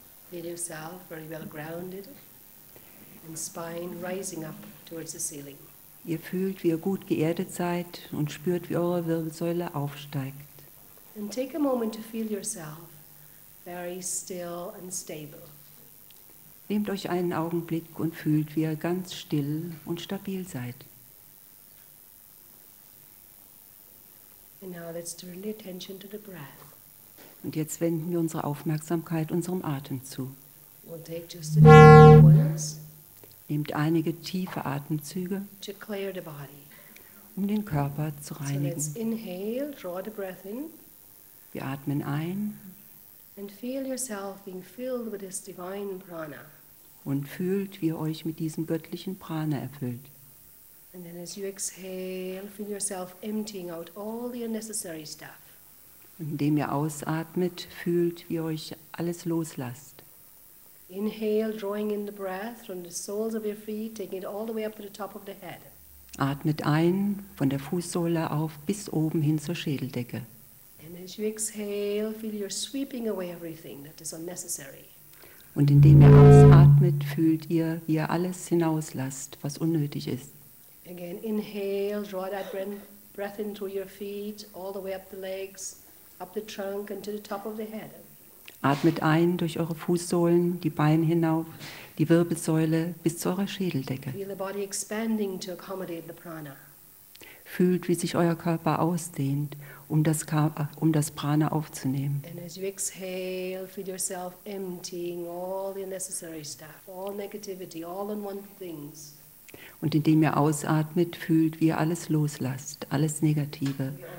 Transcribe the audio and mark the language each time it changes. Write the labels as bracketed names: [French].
[English] Feel yourself very well grounded and spine rising up towards the ceiling. [German] Ihr fühlt, wie ihr gut geerdet seid und spürt, wie eure Wirbelsäule aufsteigt. [English] And take a moment to feel yourself very still and stable. [German] Nehmt euch einen Augenblick und fühlt, wie ihr ganz still und stabil seid. [English] And now let's turn the attention to the breath. [German] Und jetzt wenden wir unsere Aufmerksamkeit unserem Atem zu. [English] We'll take just a few ones. [German] Nehmt einige tiefe Atemzüge, [English] to clear the body. [German] Um den Körper zu reinigen. [English] So let's inhale, draw the breath in. [German] Wir atmen ein. [English] And feel yourself being filled with this divine prana. [German] Und fühlt, wie ihr euch mit diesem göttlichen Prana erfüllt. [English] And then as you exhale, feel yourself emptying out all the unnecessary stuff. [German] Indem ihr ausatmet, fühlt, wie ihr euch alles loslasst. [English] Inhale, drawing in the breath from the soles of your feet, taking it all the way up to the top of the head. [German] Atmet ein, von der Fußsohle auf bis oben hin zur Schädeldecke. [English] And as you exhale, feel you're sweeping away everything that is unnecessary. [German] Und indem ihr ausatmet, fühlt ihr, wie ihr alles hinauslasst, was unnötig ist. [English] Again, inhale, draw that breath in through your feet, all the way up the legs, up the trunk and to the top of the head. [German] Atmet ein durch eure Fußsohlen, die Beine hinauf, die Wirbelsäule bis zu eurer Schädeldecke. [English] Feel the body expanding to accommodate the prana. [German] Fühlt, wie sich euer Körper ausdehnt, um das Prana aufzunehmen. [English] And as you exhale, feel yourself emptying all the unnecessary stuff, all negativity, all unwanted things. [German] Und indem ihr ausatmet, fühlt, wie ihr alles loslasst, alles Negative.